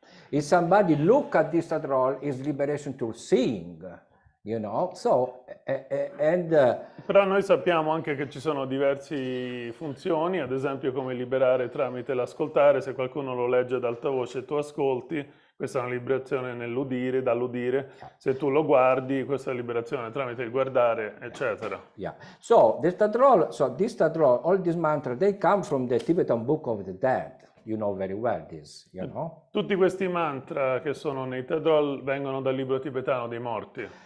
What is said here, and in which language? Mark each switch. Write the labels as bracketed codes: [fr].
[en] If somebody look at this tadrol, is liberation through seeing. You know? So, [it] Però noi sappiamo anche che ci sono diverse funzioni, ad esempio come liberare tramite l'ascoltare, se qualcuno lo legge ad alta voce e tu ascolti, questa è una liberazione nell'udire, dall'udire, se tu lo guardi, questa è liberazione tramite il guardare, eccetera. [en] So, this tadrol, all these mantras, they come from the Tibetan Book of the Dead. You know very well this, you know? [it] Tutti questi mantra che sono nei tadrol vengono dal libro tibetano dei morti.